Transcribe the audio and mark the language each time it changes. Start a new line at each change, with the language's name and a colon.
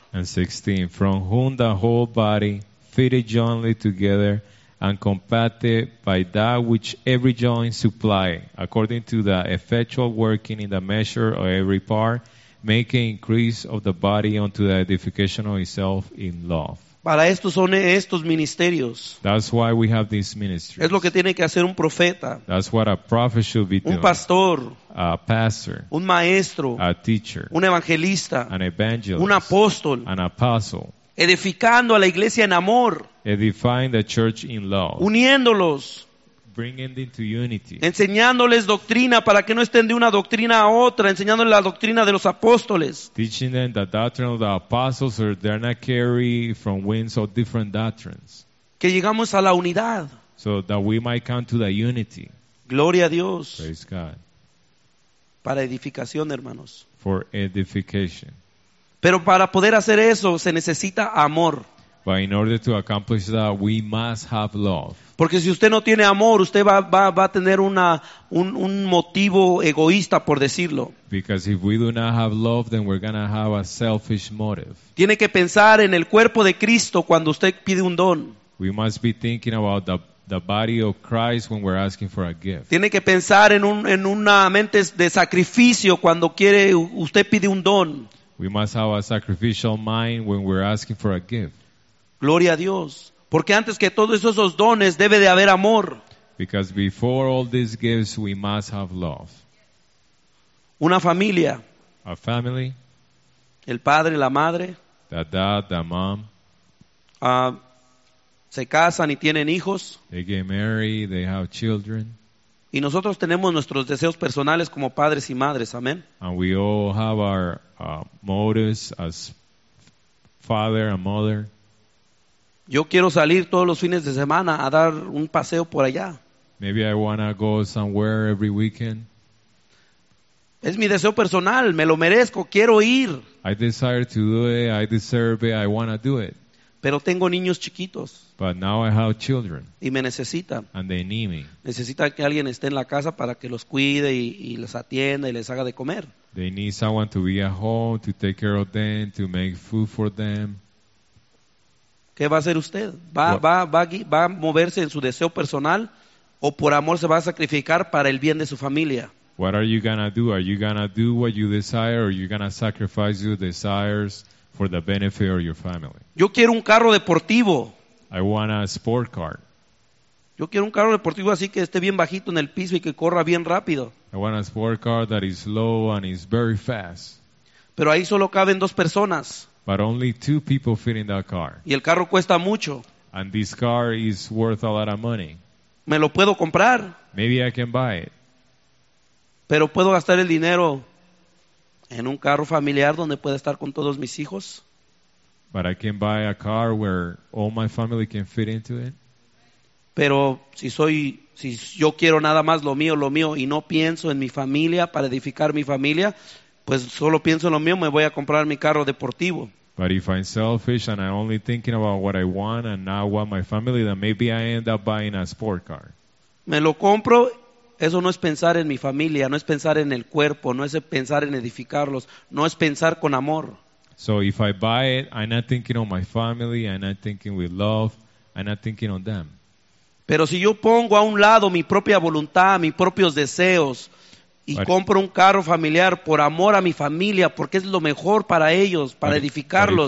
English: And 16, from whom the whole body, fitted jointly together and compacted by that which every joint supply, according to the effectual working in the measure of every part, make an increase of the body unto the edification of itself in love.
Spanish: Para esto son estos ministerios.
English: That's why we have these ministries.
Spanish: Es lo que tiene que hacer un profeta.
English: That's what a prophet should be doing.
Spanish: Un pastor.
English: A pastor.
Spanish: Un maestro.
English: A teacher.
Spanish: Un evangelista.
English: An evangelist.
Spanish: Un apóstol.
English: An apostle.
Spanish: Edificando a la iglesia en amor.
English: Edifying the church in love.
Spanish: Uniéndolos.
English: Bringing them to unity.
Spanish: Enseñándoles doctrina para que no estén de una doctrina a otra, enseñándoles la doctrina de los apóstoles.
English: Teaching them the doctrine of the apostles, or they're not carry from winds of different doctrines.
Spanish: Que llegamos a la unidad.
English: So that we might come to the unity.
Spanish: Gloria a Dios.
English: Praise God.
Spanish: Para edificación, hermanos.
English: For edification.
Spanish: Pero para poder hacer eso se necesita amor.
English: But in order to accomplish that, we must have love.
Spanish: Porque si usted no tiene amor, usted va a tener un motivo egoísta, por decirlo.
English: Because if we do not have love, then we're gonna have a selfish motive.
Spanish: Tiene que pensar en el cuerpo de Cristo cuando usted pide un don.
English: We must be thinking about the body of Christ when we're asking for a gift.
Spanish: Tiene que pensar en una mente de sacrificio cuando quiere usted pide un don.
English: We must have a sacrificial mind when we're asking for a gift.
Spanish: Gloria a Dios. Porque antes que todos esos dones, debe de haber amor.
English: Because before all these gifts, we must have love.
Spanish: Una familia.
English: A family.
Spanish: El padre, la madre.
English: The dad, the mom.
Spanish: Se casan y tienen hijos.
English: They get married, they have children.
Spanish: Y nosotros tenemos nuestros deseos personales como padres y madres, amén.
English: And we all have our motives as father and mother.
Spanish: Yo quiero salir todos los fines de semana a dar un paseo por allá.
English: Maybe I wanna go somewhere every weekend.
Spanish: Es mi deseo personal, me lo merezco, quiero ir.
English: I desire to do it, I deserve it, I wanna do it.
Spanish: Pero tengo niños chiquitos.
English: But now I have children.
Spanish: Y me necesitan.
English: And they need me.
Spanish: Necesitan que alguien esté en la casa para que los cuide y les atienda y les haga de comer.
English: They need someone to be at home, to take care of them, to make food for them.
Spanish: ¿Qué va a hacer usted? ¿Va a moverse en su deseo personal o por amor se va a sacrificar para el bien de su familia?
English: What are you gonna do? Are you gonna do what you desire, or are you gonna sacrifice your desires for the benefit of your family?
Spanish: Yo quiero un carro deportivo.
English: I want a sport car.
Spanish: Yo quiero un carro deportivo así que esté bien bajito en el piso y que corra bien rápido.
English: I want a sport car that is low and is very fast.
Spanish: Pero ahí solo caben dos personas.
English: But only two people fit in that car.
Spanish: Y el carro cuesta mucho.
English: And this car is worth a lot of money.
Spanish: Me lo puedo comprar.
English: Maybe I can buy it.
Spanish: Pero puedo gastar el dinero en un carro familiar donde pueda estar con todos mis hijos.
English: But I can buy a car where all my family can fit into it.
Spanish: Pero si yo quiero nada más lo mío y no pienso en mi familia para edificar mi familia, pues solo pienso en lo mío, me voy a comprar mi carro deportivo.
English: But if I'm selfish and I'm only thinking about what I want and not what my family, then maybe I end up buying a sport car.
Spanish: Me lo compro. Eso no es pensar en mi familia, no es pensar en el cuerpo, no es pensar en edificarlos, no es pensar con amor.
English: So if I buy it, I'm not thinking on my family, I'm not thinking with love, I'm not thinking on them.
Spanish: Pero si yo pongo a un lado mi propia voluntad, mis propios deseos, y but, compro un carro familiar por amor a mi familia, porque es lo mejor para ellos, para edificarlos.